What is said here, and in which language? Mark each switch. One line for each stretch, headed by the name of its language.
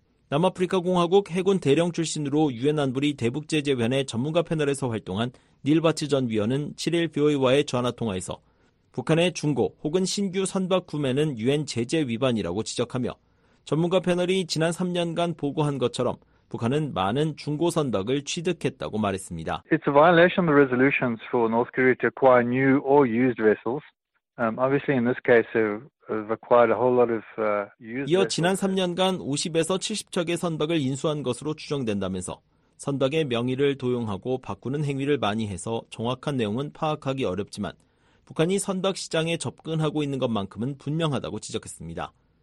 Korean: 남아프리카공화국 해군 대령 출신으로 유엔 안보리 대북제재위원회 전문가 패널에서 활동한 닐 바츠 전 위원은 7일 BOA와의 전화통화에서 북한의 중고 혹은 신규 선박 구매는 유엔 제재 위반이라고 지적하며 전문가 패널이 지난 3년간 보고한 것처럼 북한은 많은 중고 선박을 취득했다고 말했습니다.
English: It's a violation of the resolutions for North Korea to acquire new or used vessels. Obviously in this case they've acquired a whole lot of used.
Korean: 이어 지난 3년간 50에서 70척의 선박을 인수한 것으로 추정된다면서 선박의 명의를 도용하고 바꾸는 행위를 많이 해서 정확한 내용은 파악하기 어렵지만 북한이 선박 시장에 접근하고 있는 것만큼은 분명하다고 지적했습니다.